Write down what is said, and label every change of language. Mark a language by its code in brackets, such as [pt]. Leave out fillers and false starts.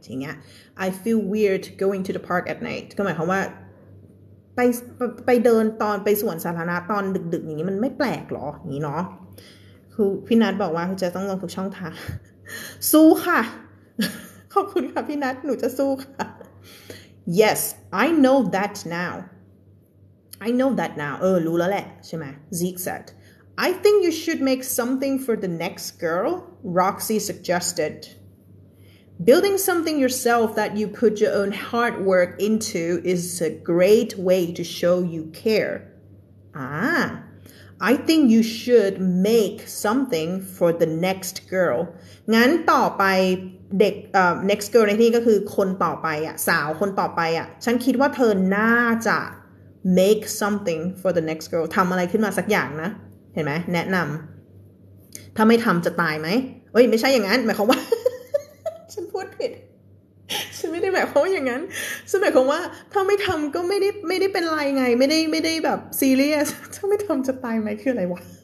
[th] อย่างเงี้ย [en] I feel weird going to the park at night. [th] ก็หมายความว่าไปเดินตอนไปสวนสาธารณะตอนดึกๆอย่างนี้มันไม่แปลกหรออย่างนี้เนาะคือพี่นัทบอกว่าจะต้องลงทุกช่องทางสู้ค่ะขอบคุณค่ะพี่นัทหนูจะสู้ค่ะ [en] Yes, I know that now. [th] I know that now. เออรู้แล้วแหละใช่ไหม [en] Zeke said. I think you should make something for the next girl, Roxy suggested. Building something yourself that you put your own hard work into is a great way to show you care. Ah, I think you should make something for the next girl. [th] งั้นต่อไปเด็ก next girl ในที่นี้ก็คือคนต่อไปอ่ะสาวคนต่อไปอ่ะฉันคิดว่าเธอน่าจะ [en] make something for the next girl. [th] ทำอะไรขึ้นมาสักอย่างนะเห็นไหมแนะนำถ้าไม่ทำจะตายไหมเฮ้ยไม่ใช่อย่างนั้นหมายความว่า ฉันพูดผิดฉันไม่ได้หมายความว่าอย่างนั้นฉันหมายความว่าถ้าไม่ทำก็ไม่ได้เป็นไรไงไม่ได้แบบซีเรียสถ้าไม่ทำจะตายไหมคืออะไรวะ